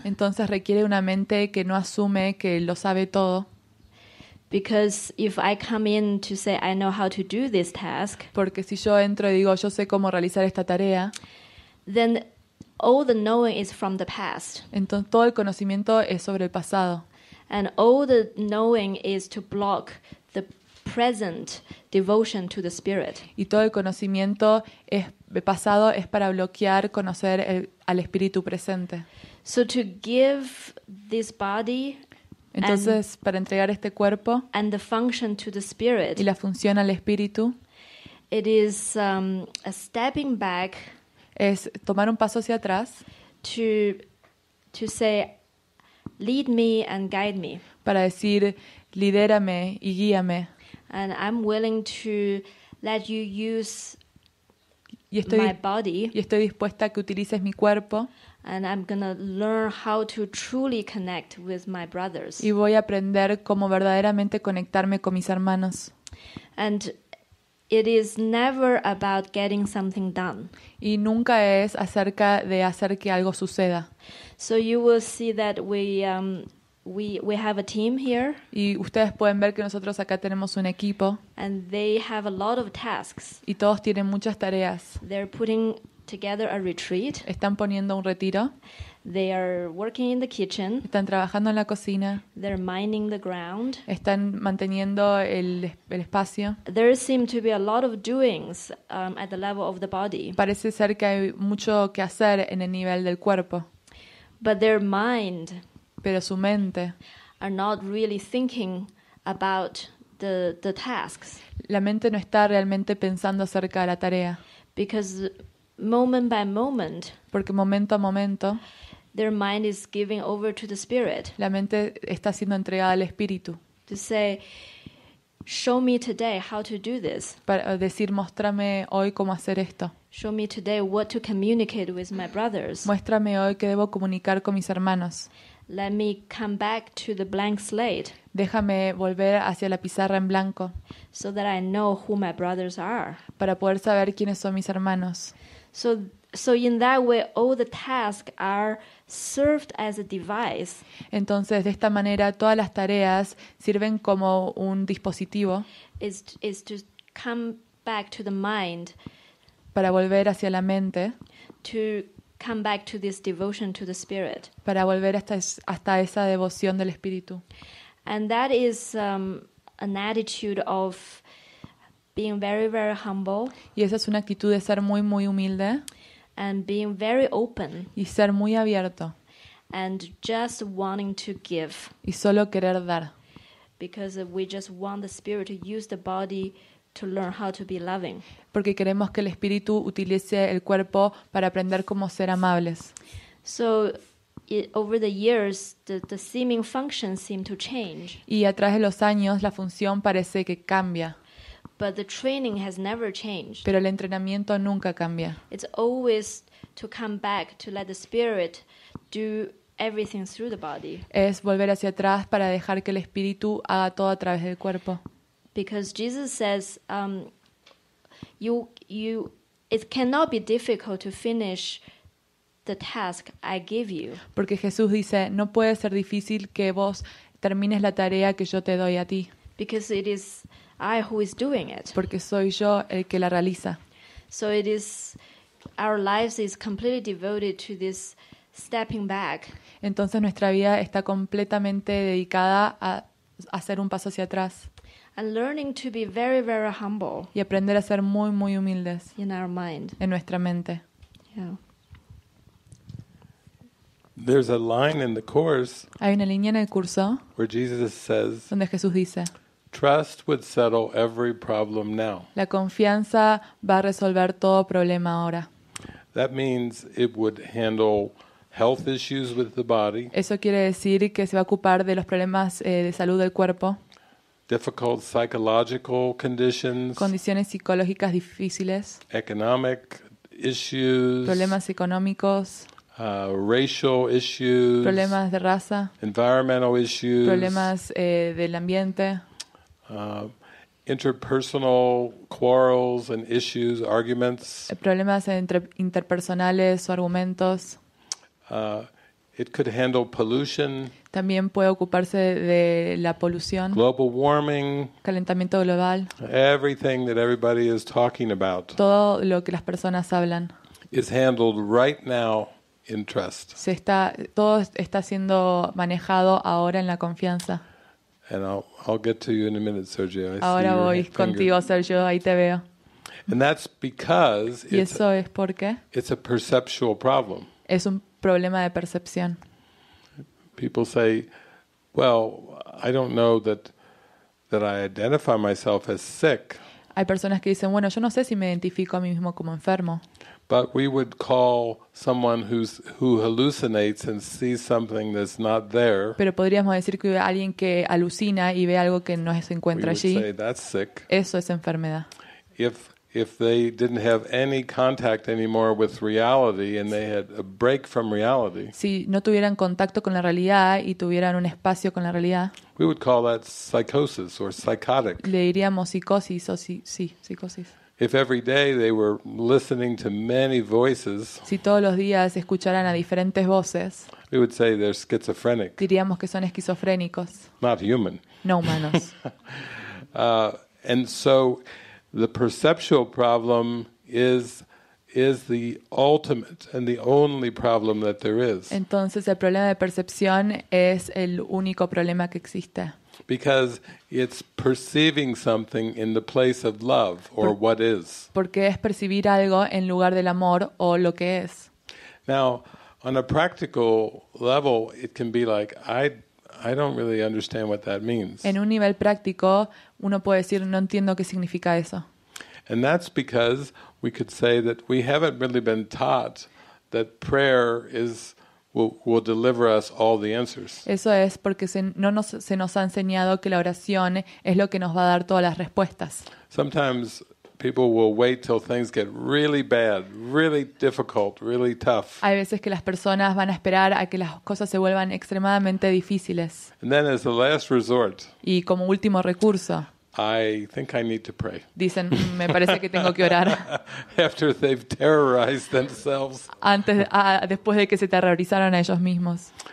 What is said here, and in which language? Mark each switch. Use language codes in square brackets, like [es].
[es] Entonces requiere una mente que no asume que lo sabe todo. [en] Because if I come in to say I know how to do this task, [es] porque si yo entro y digo yo sé cómo realizar esta tarea, [en] then all the knowing is from the past. [es] Entonces todo el conocimiento es sobre el pasado. [en] And all the knowing is to block the present devotion to the spirit. [es] Y todo el conocimiento es pasado es para bloquear conocer al espíritu presente. [en] So to give this body. [es] Entonces, para entregar este cuerpo [en] and the function to the spirit, [es] y la función al espíritu, [en] it is, a stepping back, [es] es tomar un paso hacia atrás [en] to say, lead me and guide me. [es] Para decir, lidérame y guíame. [en] And I'm willing to let you use my body. [es] Y estoy dispuesta a que utilices mi cuerpo. [en] And I'm gonna learn how to truly connect with my brothers. [es] Y voy a aprender cómo verdaderamente conectarme con mis hermanos. [en] And it is never about getting something done. [es] Y nunca es acerca de hacer que algo suceda. [en] So you will see that we have a team here. [es] Y ustedes pueden ver que nosotros acá tenemos un equipo. [en] And they have a lot of tasks. [es] Y todos tienen muchas tareas. [en] They're putting together a retreat. [es] Están poniendo un retiro. [en] They are working in the kitchen. [es] Están trabajando en la cocina. [en] They're mining the ground. [es] Están manteniendo el espacio. [en] There seem to be a lot of doings at the level of the body. [es] Parece ser que hay mucho que hacer en el nivel del cuerpo. [en] But their mind. [es] Pero su mente. [en] Are not really thinking about the tasks. [es] La mente no está realmente pensando acerca de la tarea. [en] Because moment by moment, [es] porque momento a momento, [en] their mind is giving over to the spirit. [es] La mente está siendo entregada al espíritu. [en] To say, show me today how to do this. [es] Para decir, muéstrame hoy cómo hacer esto. [en] Show me today what to communicate with my brothers. [es] Muéstrame hoy qué debo comunicar con mis hermanos. [en] Let me come back to the blank slate. [es] Déjame volver hacia la pizarra en blanco. [en] So that I know who my brothers are. [es] Para poder saber quiénes son mis hermanos. [en] So in that way all the tasks are served as a device. [es] Entonces de esta manera todas las tareas sirven como un dispositivo. [en] Is to come back to the mind. [es] Para volver hacia la mente. [en] To come back to this devotion to the spirit. [es] Para volver hasta esa devoción del espíritu. [en] And that is an attitude of being very, very humble. [es] Y esa es una actitud de ser muy, muy humilde. [en] And being very open. [es] Y ser muy abierto. [en] And just wanting to give. [es] Y solo querer dar. [en] Because we just want the spirit to use the body to learn how to be loving. [es] Porque queremos que el espíritu utilice el cuerpo para aprender cómo ser amables. [en] So over the years, the seeming function seem to change. [es] Y a través de los años, la función parece que cambia. [en] But the training has never changed. [es] Pero el entrenamiento nunca cambia. [en] It's always to come back to let the spirit do everything through the body. [es] Es volver hacia atrás para dejar que el espíritu haga todo a través del cuerpo. [en] Because Jesus says, you, it cannot be difficult to finish the task I give you. [es] Porque Jesús dice, no puede ser difícil que vos termines la tarea que yo te doy a ti. [en] Because it is I who is doing it. [es] Porque soy yo el que la realiza. [en] So it is our lives is completely devoted to this stepping back. [es] Entonces nuestra vida está completamente dedicada a hacer un paso hacia atrás. [en] And learning to be very, very humble. [es] Y aprender a ser muy, muy humildes. [en] In our mind. [es] En nuestra mente. [en] Yeah. There's a line in the course. [es] Hay una línea en el curso. [en] Where Jesus says. [es] Donde Jesús dice. [en] Trust would settle every problem now. [es] La confianza va a resolver todo problema ahora. [en] That means it would handle health issues with the body. [es] Eso quiere decir que se va a ocupar de los problemas de salud del cuerpo. [en] Difficult psychological conditions. [es] Condiciones psicológicas difíciles. [en] Economic issues. [es] Problemas económicos. [en] Racial issues. [es] Problemas de raza. [en] Environmental issues. [es] Problemas del ambiente. [en] Interpersonal quarrels and issues, arguments. [es] Problemas entre interpersonales o argumentos. [en] It could handle pollution. [es] También puede ocuparse de la polución. [en] Global warming. [es] Calentamiento global. [en] Everything that everybody is talking about. [es] Todo lo que las personas hablan. [en] Is handled right now in trust. [es] Se está todo está siendo manejado ahora en la confianza. [en] And I'll get to you in a minute, Sergio. I [es] ahora [en] see [es] voy contigo, Sergio. Ahí te veo. [en] And that's because [es] y eso es porque [en] it's a perceptual problem. [es] Es un problema de percepción. [en] People say, "Well, I don't know that I identify myself as sick." [es] Hay personas que dicen, "Bueno, yo no sé si me identifico a mí mismo como enfermo." [en] But we would call someone who hallucinates and sees something that's not there. [es] Pero podríamos decir que alguien que alucina y ve algo que no se encuentra allí. [en] We would say that's sick. [es] Eso es enfermedad. [en] If they didn't have any contact anymore with reality and they had a break from reality. [es] Si no tuvieran contacto con la realidad y tuvieran un espacio con la realidad. [en] We would call that psychosis or psychotic. [es] Le diríamos psicosis o sí, psicosis. [en] If every day they were listening to many voices. [es] Si todos los días escucharan a diferentes voces. [en] We would say they're schizophrenic. [es] Diríamos que son esquizofrénicos. [en] Not human. [es] No humanos. [en] And so the perceptual problem is the ultimate and the only problem that there is. [es] Entonces el problema de percepción es el único problema que existe. [en] Because it's perceiving something in the place of love or what is. [es] Porque es percibir algo en lugar del amor o lo que es. [en] Now, on a practical level, it can be like I don't really understand what that means. [es] En un nivel práctico, uno puede decir no entiendo qué significa eso. [en] And that's because we could say that we haven't really been taught that prayer will deliver us all the answers. [es] Eso es porque se nos ha enseñado que la oración es lo que nos va a dar todas las respuestas. [en] Sometimes people will wait till things get really bad, really difficult, really tough. [es] Hay veces que las personas van a esperar a que las cosas se vuelvan extremadamente difíciles. [en] And then as the last resort. [es] Y como último recurso. [en] I think I need to pray. [es] Dicen, me parece que tengo que orar. [en] After they've terrorized themselves. [es] Antes, después de que se terrorizaron a ellos mismos.